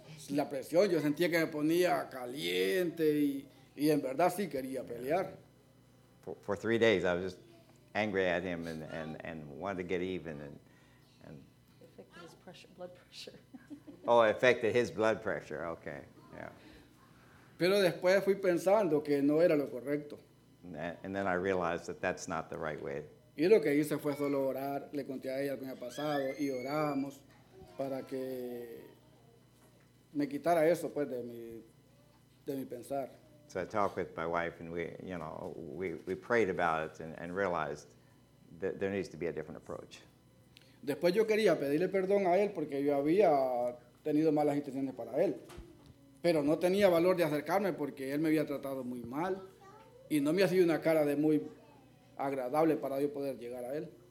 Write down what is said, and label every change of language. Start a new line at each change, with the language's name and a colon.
Spanish: La presión, yo sentía que me ponía caliente y en verdad sí quería pelear.
English: For 3 days I was just angry at him and wanted to get even and affected his pressure, blood pressure. Oh, it affected his blood pressure. Okay. Yeah.
Spanish: Pero después fui pensando que no era lo correcto.
English: And then I realized that that's not the right way.
Spanish: Y lo que hice fue solo orar, le conté a ella lo que había pasado y orábamos para que me quitara eso pues de mi pensar.
English: So I talked with my wife and we, you know, we prayed about it and realized that there needs to be a different approach.
Spanish: Después yo quería pedirle perdón a él porque yo había tenido malas intenciones para él. Pero no tenía valor de acercarme porque él me había tratado muy mal y no me ha sido una cara de muy agradable para yo poder llegar a él.